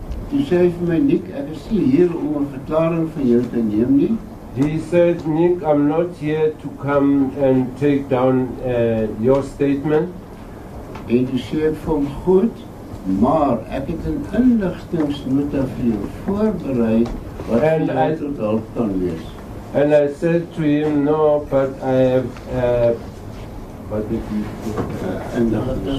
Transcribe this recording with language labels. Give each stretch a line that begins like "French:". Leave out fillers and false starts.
Afrikaans: Toe sê hy vir my, Nick, ek is nie hier om 'n verklaring van jou te neem nie.
English: He said, Nick, I'm not here to come and take down your statement.
Afrikaans: En toe sê ek vir hom, goed, maar ek het 'n inligtingsnota vir jou voorberei wat jy tot al kan lees.
English: And I said to him, no, but I have, what did you